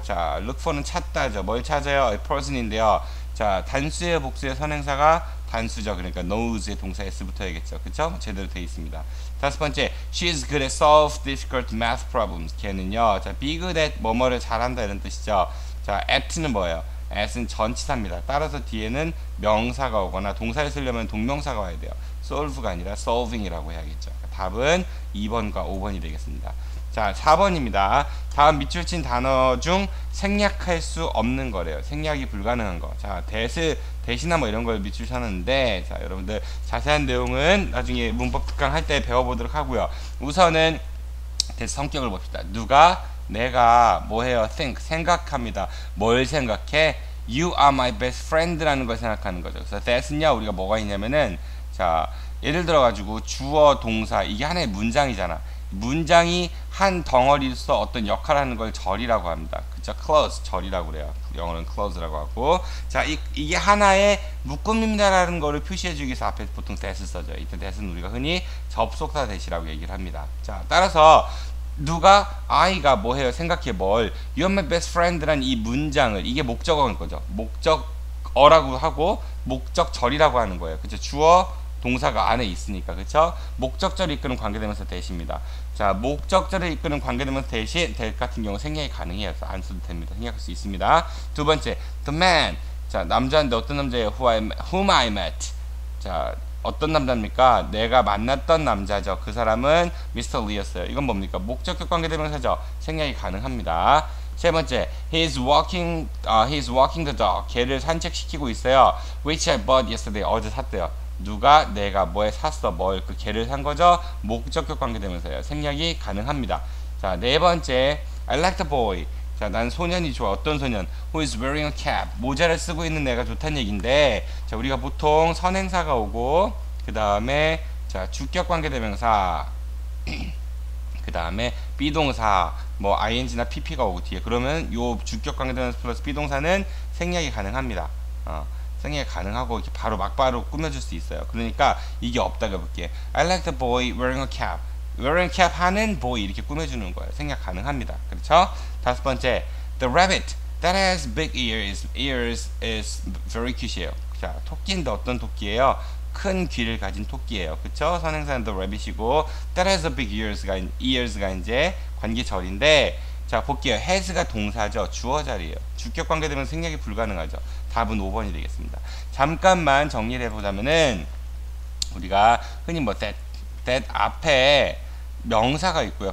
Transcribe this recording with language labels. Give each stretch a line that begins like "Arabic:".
Korean: 자, look for는 찾다죠. 뭘 찾아요? a person인데요. 자, 단수의 복수의 선행사가 단수죠. 그러니까 knows의 동사 s부터야겠죠. 그렇죠? 제대로 돼 있습니다. 다섯 번째,
English: she's good at solve difficult math problems.
Korean: 걔는요, 자, be good at 뭐뭐를 잘한다 이런 뜻이죠. 자, at는 뭐예요? at은 전치사입니다. 따라서 뒤에는 명사가 오거나 동사를 쓰려면 동명사가 와야 돼요. solve가 아니라 solving이라고 해야겠죠. 답은 2번과 5번이 되겠습니다. 자, 4번입니다. 다음 밑줄 친 단어 중 생략할 수 없는 거래요. 생략이 불가능한 거. 자, 대시나 뭐 이런 걸 밑줄 쳤는데, 자, 여러분들 자세한 내용은 나중에 문법 특강 할때 배워보도록 하고요. 우선은 대시 성격을 봅시다. 누가? 내가 뭐해요?
English: Think.
Korean: 생각합니다. 뭘 생각해?
English: You are my best friend
Korean: 라는 걸 생각하는 거죠. 그래서 that's냐 우리가 뭐가 있냐면은, 자, 예를 들어가지고 주어, 동사 이게 하나의 문장이잖아. 문장이 한 덩어리로서 어떤 역할하는 걸 절이라고 합니다. 그쵸? Clause 절이라고 그래요. 영어는 Clause라고 하고, 자, 이게 하나의 묶음입니다라는 거를 표시해주기 위해서 앞에 보통 that's 써져요. 이때 that's는 우리가 흔히 접속사 that이라고 얘기를 합니다. 자, 따라서 누가 I가 뭐해요? 생각해 뭘?
English: You're my best friend
Korean: 란 이 문장을 이게 목적어인 거죠. 목적어라고 하고 목적절이라고 하는 거예요. 그쵸? 주어 동사가 안에 있으니까 그쵸? 목적절이 이끄는 관계대명사 대시입니다. 자, 목적절이 이끄는 관계대명사 대시 that 같은 경우 생략이 가능해요. 안 써도 됩니다. 생략할 수 있습니다. 두 번째,
English: the man.
Korean: 자, 남자인데 어떤 남자예요?
English: Whom I met.
Korean: 자, 어떤 남자입니까? 내가 만났던 남자죠. 그 사람은 미스터 리였어요. 이건 뭡니까? 목적격 관계대명사죠. 생략이 가능합니다. 세 번째,
English: he's walking the dog.
Korean: 개를 산책시키고 있어요.
English: Which I bought yesterday.
Korean: 어제 샀대요. 누가 내가 뭐에 샀어? 뭘그 개를 산 거죠? 목적격 관계대명사예요. 생략이 가능합니다. 자, 네 번째,
English: I like the boy.
Korean: 자, 난 소년이 좋아. 어떤 소년?
English: Who is wearing a cap?
Korean: 모자를 쓰고 있는 애가 좋단 얘기인데, 자, 우리가 보통 선행사가 오고, 그 다음에, 자, 주격 관계대명사. 그 다음에, be 동사. 뭐, ing나 pp가 오고 뒤에. 그러면 요 주격 관계대명사 플러스 be 동사는 생략이 가능합니다. 생략이 가능하고, 이렇게 바로 막바로 꾸며줄 수 있어요. 그러니까, 이게 없다고 해볼게.
English: I like the boy wearing a cap.
Korean: wearing cap 하는 boy 이렇게 꾸며주는 거예요. 생략 가능합니다. 그렇죠? 다섯 번째,
English: the rabbit that has big ears is very cute예요.
Korean: 자, 토끼인데 어떤 토끼예요? 큰 귀를 가진 토끼예요. 그렇죠? 선행사는 the rabbit이고, that has a big ears가 이제 관계절인데, 자, 볼게요. has가 동사죠. 주어 자리예요. 주격 관계되면 생략이 불가능하죠. 답은 5번이 되겠습니다. 잠깐만 정리를 해보자면은, 우리가 흔히 뭐 that 앞에 명사가 있고요.